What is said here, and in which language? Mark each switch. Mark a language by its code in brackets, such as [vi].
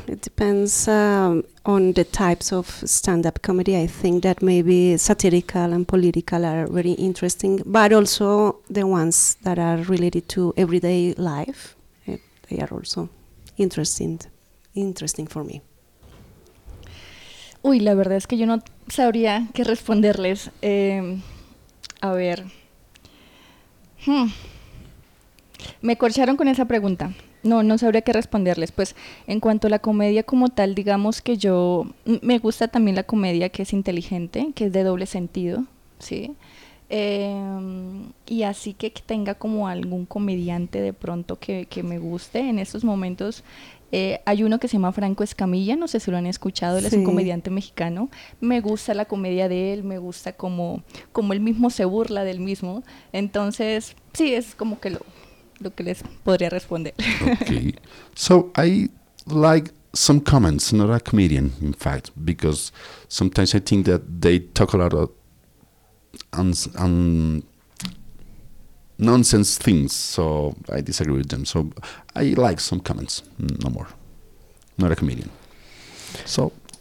[en] It depends on the types of stand-up comedy. I think that maybe satirical and political are very interesting, but also the ones that are related to everyday life, they are also interesting for me. [es] Uy, la verdad es que yo no sabría qué responderles. A ver. Me corcharon con esa pregunta. No sabría qué responderles. Pues, en cuanto a la comedia como tal, digamos que yo... me gusta también la comedia que es inteligente, que es de doble sentido, ¿sí? Y así que tenga como algún comediante de pronto que me guste. En estos momentos hay uno que se llama Franco Escamilla, no sé si lo han escuchado, él sí. Es un comediante mexicano. Me gusta la comedia de él, me gusta como él mismo se burla del mismo. Entonces, sí, es como que lo... lo que les podría responder. Okay. [en] So I like some comments, not a comedian, in fact, because sometimes I think that they talk a lot of nonsense things, so I disagree with them. So I like some comments, no more. Not a comedian. So